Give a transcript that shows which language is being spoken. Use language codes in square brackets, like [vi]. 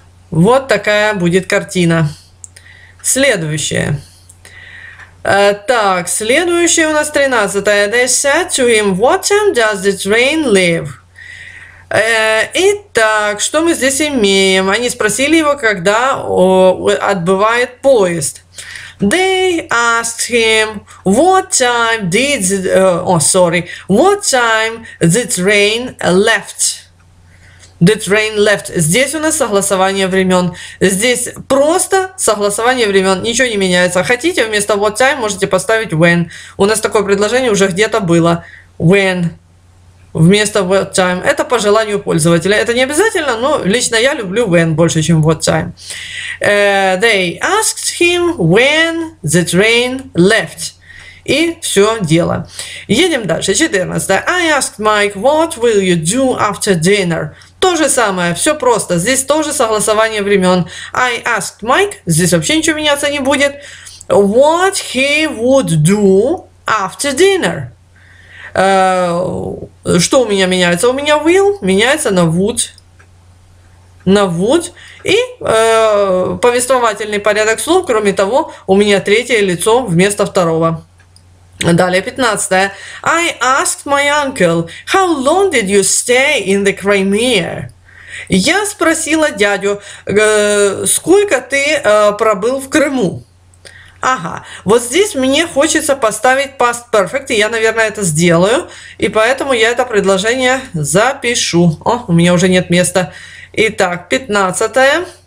[ru] Вот такая будет картина. Следующее. Так, следующее у нас 13-е. [en] They said to him, what time does the train leave? [ru] Итак, что мы здесь имеем? Они спросили его, когда отбывает поезд. [en] They asked him, what time did the, what time the train left? The train left. [ru] Здесь у нас согласование времен. Здесь просто согласование времен. Ничего не меняется. Хотите, вместо [en] what time [ru] можете поставить [en] when. [ru] У нас такое предложение уже где-то было. [en] When. [ru] Вместо [en] what time. [ru] Это по желанию пользователя. Это не обязательно, но лично я люблю [en] when [ru] больше, чем [en] what time. They asked him when the train left. [ru] И все дело. Едем дальше. 14. [en] I asked Mike, what will you do after dinner? [ru] То же самое, все просто. Здесь тоже согласование времен. [en] I asked Mike, [ru] здесь вообще ничего меняться не будет. [en] What he would do after dinner? [ru] Что у меня меняется? У меня [en] will [ru] меняется на [en] would. [ru] На would. И повествовательный порядок слов, кроме того, у меня третье лицо вместо второго. Далее, 15-е. [en] I asked my uncle, how long did you stay in the Crimea? [ru] Я спросила дядю, сколько ты пробыл в Крыму? Ага, вот здесь мне хочется поставить past perfect, и я, наверное, это сделаю, и поэтому я это предложение запишу. О, у меня уже нет места. Итак, 15-е.